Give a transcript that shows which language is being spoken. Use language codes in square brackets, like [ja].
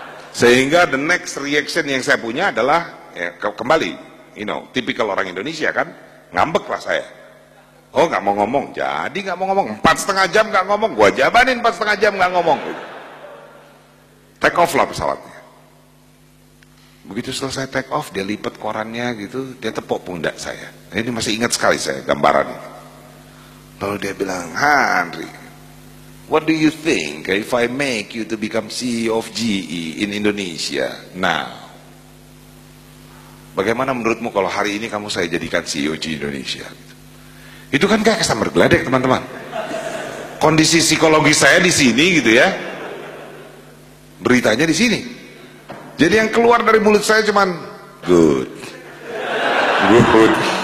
[id] Sehingga [en] the next reaction [id] yang saya punya adalah, ya, kembali, [en] you know, [id] typical orang Indonesia kan, ngambek lah saya. Oh, nggak mau ngomong. Jadi nggak mau ngomong. 4,5 jam nggak ngomong. Gua jabanin 4,5 jam nggak ngomong. Take off lah pesawatnya. Begitu selesai take off, dia lipat korannya gitu, dia tepuk pundak saya. Ini masih ingat sekali saya gambaran. Lalu dia bilang, [en] Henry, what do you think if I make you to become CEO of GE in Indonesia now? [id] Bagaimana menurutmu kalau hari ini kamu saya jadikan CEO GE Indonesia? Itu kan kayak kesambar geledek, teman-teman. Kondisi psikologi saya di sini gitu ya. Beritanya di sini. Jadi yang keluar dari mulut saya cuman [en] good. Good.